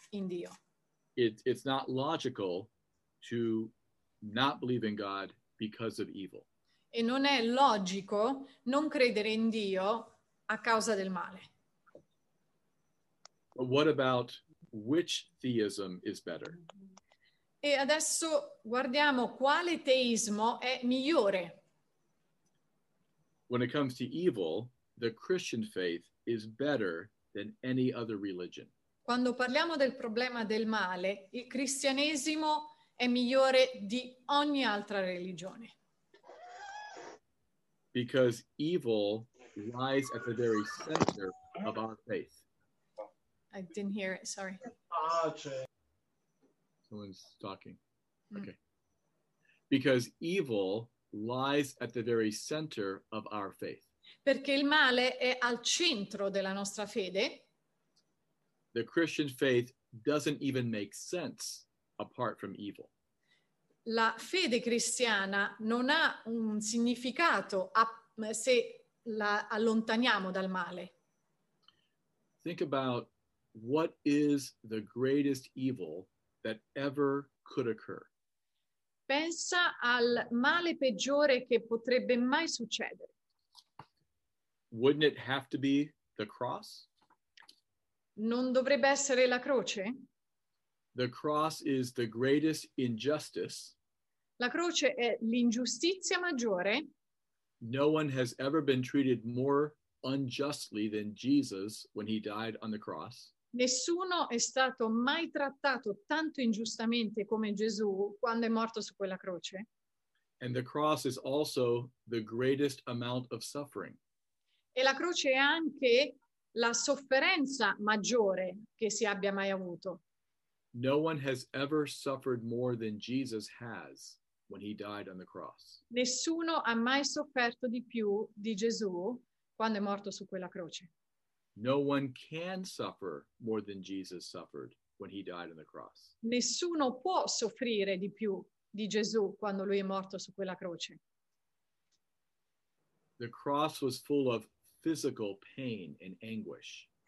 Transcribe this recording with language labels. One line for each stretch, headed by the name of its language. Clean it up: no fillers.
Italian: in Dio.
English: It's not logical to not believe in God because of evil.
Italian: E non è logico non credere in Dio a causa del male.
English: But what about which theism is better?
Italian: E adesso guardiamo quale teismo è migliore.
English: When it comes to evil, the Christian faith is better than any other religion.
Italian: Quando parliamo del problema del male, il cristianesimo è migliore di ogni altra religione.
English: Because evil lies at the very center of our faith. I didn't hear it, sorry. Someone's talking. Okay. Because evil lies at the very center of our faith.
Italian: Perché il male è al centro della nostra fede.
English: The Christian faith doesn't even make sense apart from evil.
Italian: La fede cristiana non ha un significato se la allontaniamo dal male.
English: Think about what is the greatest evil that ever could occur.
Italian: Pensa al male peggiore che potrebbe mai succedere.
English: Wouldn't it have to be the cross?
Italian: Non dovrebbe essere la croce?
English: The cross is the greatest injustice.
Italian: La croce è l'ingiustizia maggiore.
English: No one has ever been treated more unjustly than Jesus when he died on the cross.
Italian: Nessuno è stato mai trattato tanto ingiustamente come Gesù quando è morto su quella croce.
English: And the cross is also the greatest amount of suffering.
Italian: E la croce è anche la sofferenza maggiore che si abbia mai avuto.
English: No one has ever suffered more than Jesus has when he died on the cross.
Italian: Nessuno ha mai sofferto di più di Gesù quando è morto su quella croce.
English: No one can suffer more than Jesus suffered when he died on the cross.
Italian: Nessuno può soffrire di più di Gesù quando lui è morto su quella croce.
English: The cross was full of physical pain and anguish.